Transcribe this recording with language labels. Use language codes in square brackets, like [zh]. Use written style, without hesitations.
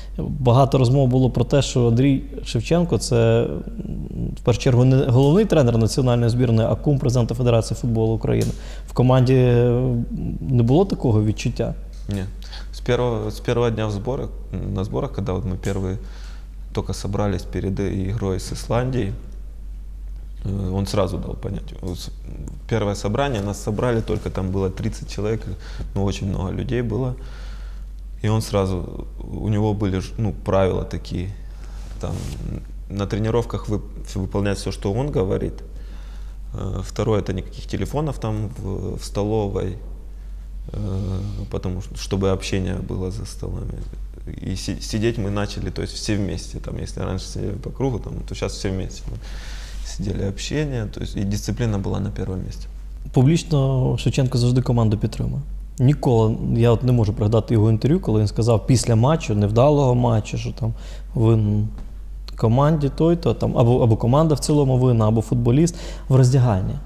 [uk] Багато розмов було про те, що Андрій Шевченко – це, в першу чергу, не головний тренер національної збірної, а кум президента Федерації футболу України. В команді не було такого відчуття? Ні. З першого дня на зборах, коли от ми перші тільки зібралися перед ігрою з Ісландією, [ru] он сразу дал понять. Первое собрание, нас собрали, только там было 30 человек, ну, очень много людей было. И он сразу, у него были, ну, правила такие, там, на тренировках выполнять все, что он говорит. Второе, это никаких телефонов там в столовой, потому что, чтобы общение было за столами. И сидеть мы начали, то есть все вместе, там, если раньше сидели по кругу, там, то сейчас все вместе. [uk] Сиділи общення, тобто і дисципліна була на першому місці. Публічно Шевченко завжди команду підтримує. Ніколи, я от не можу пригадати його інтерв'ю, коли він сказав після матчу, невдалого матчу, що там ви команді той-то, там, або команда в цілому винна, або футболіст в роздягальні.